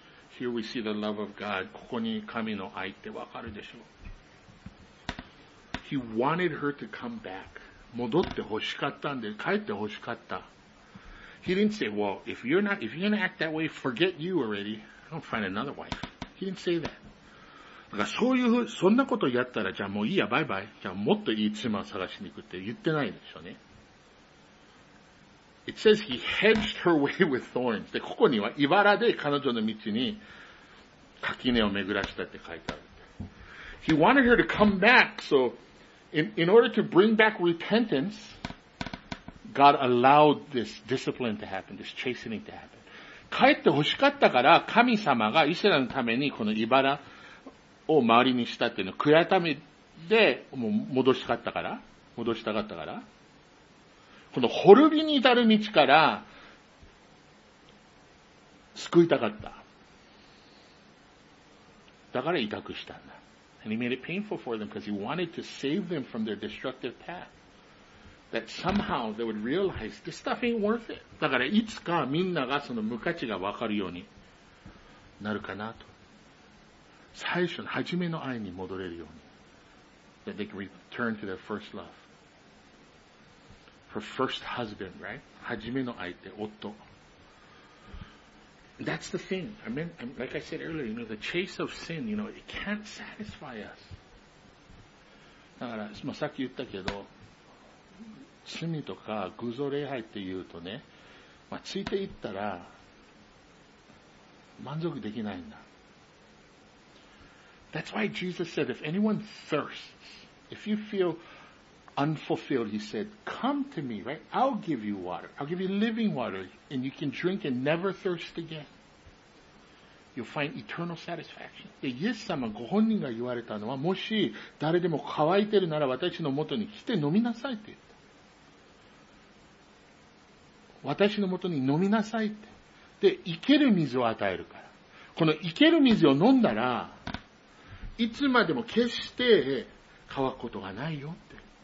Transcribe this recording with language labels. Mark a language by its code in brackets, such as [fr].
[en] Here we see the love of God. [ja] ここに神の愛ってわかるでしょう。 [en] He wanted her to come back. [ja] 戻って欲しかったんで、帰って欲しかった。 [en] He didn't say, well, if you're gonna act that way, forget you already. I'm gonna find another wife. He didn't say that. [ja] だからそんなことやったら、じゃあもういいや、バイバイ。じゃあもっといい妻を探しに行くって言ってないでしょうね。 [en] It says he hedged her way with thorns. [ja] で、ここには茨で彼女の道に垣根を巡らしたって書いてある。 [en] He wanted her to come back, so in order to bring back repentance, God allowed this discipline to happen, this chastening to happen. [ja] 帰って欲しかったから、神様がイスラエルのためにこの茨を周りにしたっていうのを悔やためで戻したかったから、この滅びに至る道から救いたかった。だから委託したんだ。 [en] And he made it painful for them because he wanted to save them from their destructive path. That somehow they would realize this stuff ain't worth it. [ja] だからいつかみんながその無価値がわかるようになるかなと。最初の初めの愛に戻れるように。 [en] That they can return to their first love. Her first husband, right? [ja] 初めの愛って夫。 [en] That's the thing. I mean, like I said earlier, you know, the chase of sin, you know, it can't satisfy us. [ja] だから、まあ、さっき言ったけど、罪とか偶像礼拝って言うとね、まあ、ついていったら、満足できないんだ。 [en] That's why Jesus said, if anyone thirsts, if you feel unfulfilled, he said, come to me, right? I'll give you water. I'll give you living water, and you can drink and never thirst again. You'll find eternal satisfaction. [ja] イエス様ご本人が言われたのは、もし誰でも乾いてるなら私のもとに来て飲みなさいって言った。私のもとに飲みなさいって。で、生ける水を与えるから。この生ける水を飲んだら、いつまでも決して乾くことがないよって。